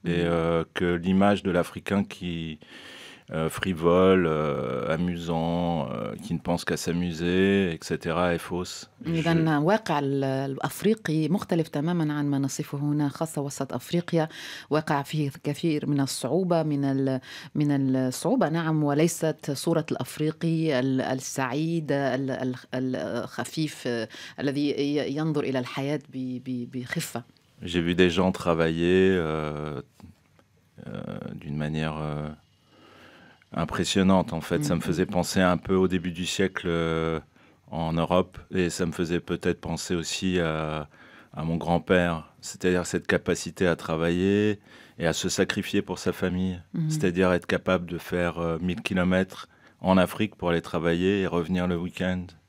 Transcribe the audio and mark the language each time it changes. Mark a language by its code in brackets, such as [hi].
[fr] Et que l'image de l'Africain qui frivole, amusant, qui ne pense qu'à s'amuser, etc., est fausse. [ar] إذن واقع الأفريقي مختلف تماما عن ما نصفه هنا، خاصة وسط أفريقيا، واقع فيه كثير من الصعوبة، من الصعوبة نعم، وليست صورة الأفريقي السعيد الخفيف الذي ينظر إلى الحياة بخفة. [fr] J'ai vu des gens travailler d'une manière impressionnante en fait. Ça me faisait penser un peu au début du siècle en Europe, et ça me faisait peut-être penser aussi à mon grand-père, c'est-à-dire cette capacité à travailler et à se sacrifier pour sa famille, c'est-à-dire être capable de faire 1000 km en Afrique pour aller travailler et revenir le week-end.